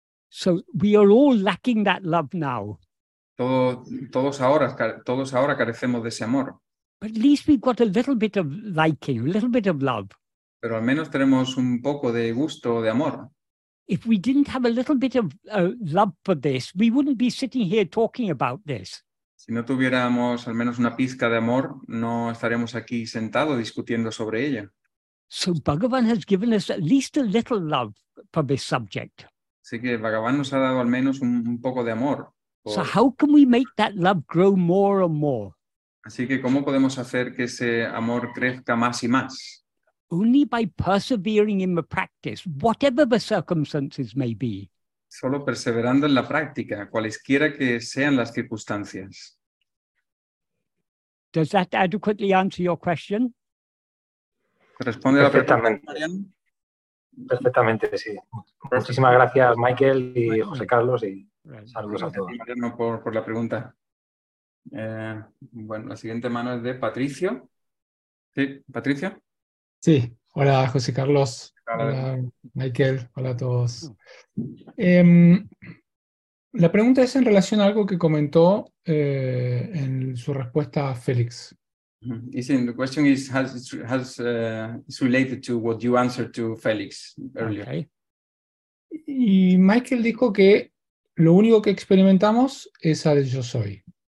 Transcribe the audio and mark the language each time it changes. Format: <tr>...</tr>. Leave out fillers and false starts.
<en>So we are all lacking that love now.</en> <es>Todos ahora carecemos de ese amor.</es> <en>But at least we've got a little bit of liking, a little bit of love.</en> <es>Pero al menos tenemos un poco de gusto de amor.</es> <en>If we didn't have a little bit of love for this, we wouldn't be sitting here talking about this.</en> <es>Si no tuviéramos al menos una pizca de amor, no estaríamos aquí sentados discutiendo sobre ello.</es> <en>So Bhagavan has given us at least a little love for this subject.</en> <es>Así que Bhagavan nos ha dado al menos un poco de amor.</es> <en>So how can we make that love grow more and more?</en> <es>Así que ¿cómo podemos hacer que ese amor crezca más y más?</es> <en>Only by persevering in the practice, whatever the circumstances may be.</en> <es>Solo perseverando en la práctica, cualesquiera que sean las circunstancias.</es> <en>Does that adequately answer your question?</en> <es>Responde perfectamente. Perfectamente, sí. Muchísimas gracias, Michael y José Carlos, y saludos a todos. Por la pregunta. Bueno, la siguiente mano es de Patricio. Sí, Patricio. Sí, hola José Carlos, hola Michael, hola a todos. La pregunta es en relación a algo que comentó en su respuesta a Félix.</es> <en>The question is has is related to what you answered to Félix earlier. Okay.</en> <es>Y Michael dijo que lo único que experimentamos es al yo soy.</es>